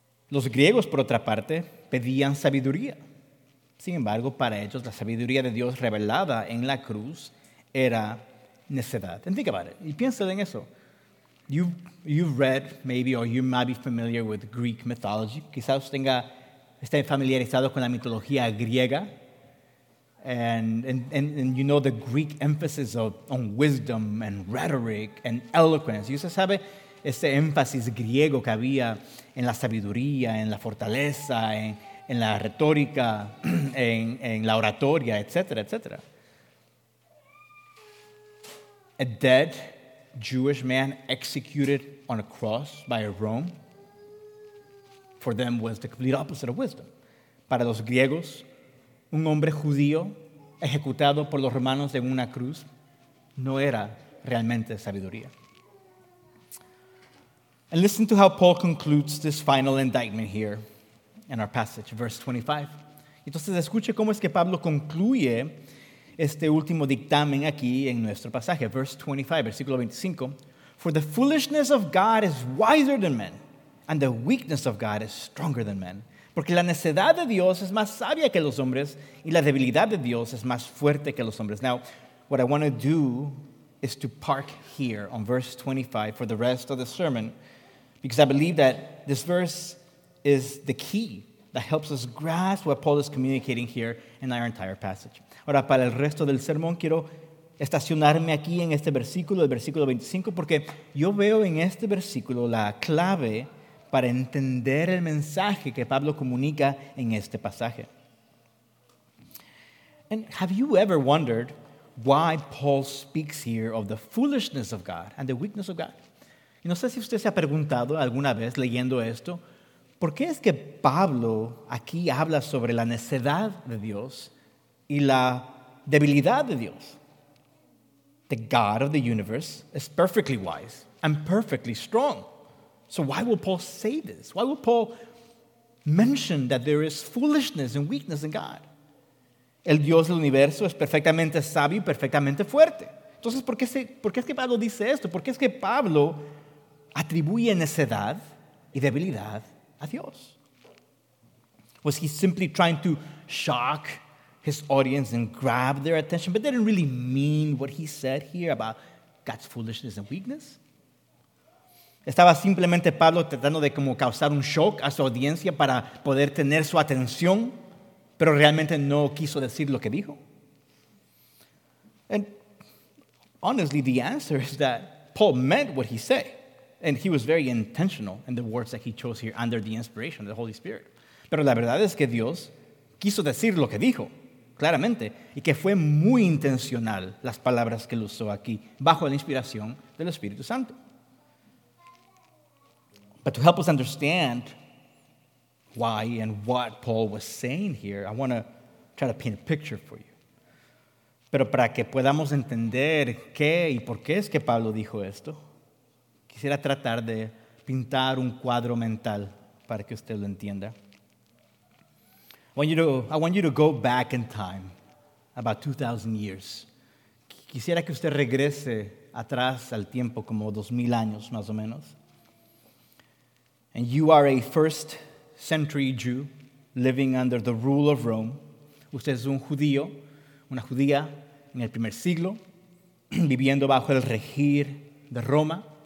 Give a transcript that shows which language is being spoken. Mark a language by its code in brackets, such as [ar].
[es] Los griegos, por otra parte, pedían sabiduría. Sin embargo, para ellos, la sabiduría de Dios revelada en la cruz era necedad. [en] And think about it. [es] Y piensen en eso. [en] You've read, maybe, or you might be familiar with Greek mythology. [es] Quizás tenga, esté familiarizado con la mitología griega. [en] And you know the Greek emphasis on wisdom and rhetoric and eloquence. [es] Y usted sabe ese énfasis griego que había en la sabiduría, en la fortaleza, en la retórica, en la oratoria, etc., etc. [en] A dead Jewish man executed on a cross by Rome, for them was the complete opposite of wisdom. [es] Para los griegos, un hombre judío ejecutado por los romanos en una cruz no era realmente sabiduría. [en] And listen to how Paul concludes this final indictment here in our passage, verse 25. [es] Entonces, escuche cómo es que Pablo concluye este último dictamen aquí en nuestro pasaje, verse 25, versículo 25. [en] For the foolishness of God is wiser than men, and the weakness of God is stronger than men. [es] Porque la necedad de Dios es más sabia que los hombres, y la debilidad de Dios es más fuerte que los hombres. [en] Now, what I want to do is to park here on verse 25 for the rest of the sermon, because I believe that this verse is the key that helps us grasp what Paul is communicating here in our entire passage. [es] Ahora, para el resto del sermón, quiero estacionarme aquí en este versículo, el versículo 25, porque yo veo en este versículo la clave para entender el mensaje que Pablo comunica en este pasaje. [en] And have you ever wondered why Paul speaks here of the foolishness of God and the weakness of God? [es] Y no sé si usted se ha preguntado alguna vez leyendo esto, ¿por qué es que Pablo aquí habla sobre la necedad de Dios y la debilidad de Dios? [en] The God of the universe is perfectly wise and perfectly strong. So why will Paul say this? Why will Paul mention that there is foolishness and weakness in God? [es] El Dios del universo es perfectamente sabio y perfectamente fuerte. Entonces, ¿por qué es que Pablo dice esto? ¿Por qué es que Pablo atribuye necedad y debilidad a Dios? [en] Was he simply trying to shock his audience and grab their attention, but didn't really mean what he said here about God's foolishness and weakness? [es] ¿Estaba simplemente Pablo tratando de como causar un shock a su audiencia para poder tener su atención, pero realmente no quiso decir lo que dijo? [en] And honestly, the answer is that Paul meant what he said, and he was very intentional in the words that he chose here under the inspiration of the Holy Spirit. [es] Pero la verdad es que Dios quiso decir lo que dijo, claramente, y que fue muy intencional las palabras que él usó aquí bajo la inspiración del Espíritu Santo. [en] But to help us understand why and what Paul was saying here, I want to try to paint a picture for you. [es] Pero para que podamos entender qué y por qué es que Pablo dijo esto, quisiera tratar de pintar un cuadro mental para que usted lo entienda. [en] I want you to go back in time, about 2,000 years. [es] Quisiera que usted regrese atrás al tiempo, como 2,000 años más o menos. [en] And you are a first century Jew living under the rule of Rome. [es] Usted es un judío, una judía en el primer siglo, viviendo bajo el regir de Roma.